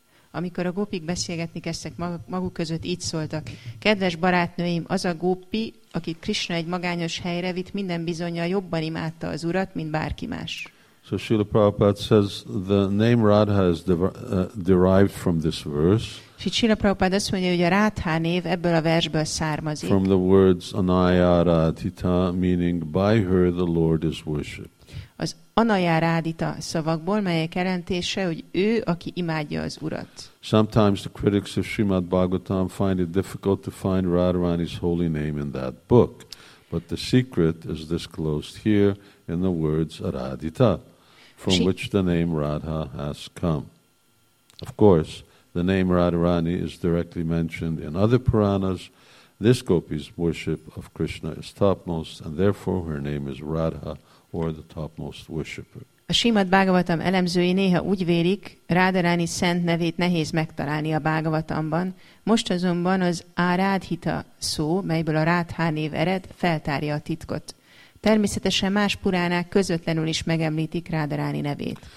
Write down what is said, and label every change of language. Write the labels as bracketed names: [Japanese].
[Hungarian] Amikor a gópik beszélgetni kezdtek maguk között, így szóltak. Kedves barátnőim, az a gópi, akit Krishna egy magányos helyre vitt, minden bizonnyal jobban imádta az urat, mint bárki más. [English] So Srila Prabhupada says, the name Radha is derived from this verse. [Hungarian] És itt Srila Prabhupada azt mondja, hogy a Radha név ebből a versből származik. [English] From the words anayaradhita, meaning by her the Lord is worshipped. [Hungarian] Az anayaradhita szavakból, melyek jelentése, hogy ő, aki imádja az Urat. [English] Sometimes the critics of Srimad Bhagavatam find it difficult to find Radharani's holy name in that book, but the secret is disclosed here in the words aradhita, from which the name Radha has come. Of course, the name Radharani is directly mentioned in other Puranas. This gopi's worship of Krishna is topmost, and therefore her name is Radha, or the topmost worshipper. [Hungarian] A Srimad Bhagavatam elemzői néha úgy vélik, Radharani szent nevét nehéz megtalálni a Bhagavatamban. Most azonban az Aradhita szó, melyből a Radha név ered, feltárja a titkot. Természetesen más puránák közvetlenül is megemlítik Radharani nevét.